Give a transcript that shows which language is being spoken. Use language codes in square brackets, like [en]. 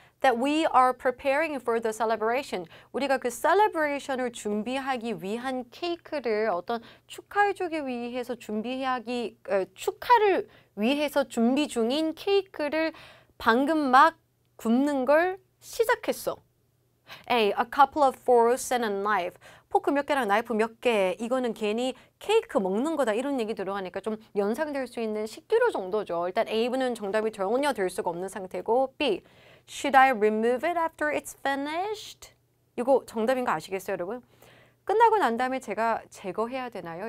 [en] That we are preparing for the celebration. [ko] 우리가 그 celebration을 준비하기 위한 케이크를 어떤 축하해주기 위해서 준비하기, 축하를 위해서 준비 중인 케이크를 방금 막 굽는 걸 시작했어. [en] A, a couple of forks and a knife. [ko] 포크 몇 개랑 나이프 몇 개. 이거는 괜히 케이크 먹는 거다 이런 얘기 들어가니까 좀 연상될 수 있는 식기로 정도죠. 일단 A는 정답이 전혀 될 수가 없는 상태고 B, [en] should I remove it after it's finished? [ko] 이거 정답인 거 아시겠어요, 여러분? 끝나고 난 다음에 제가 제거해야 되나요?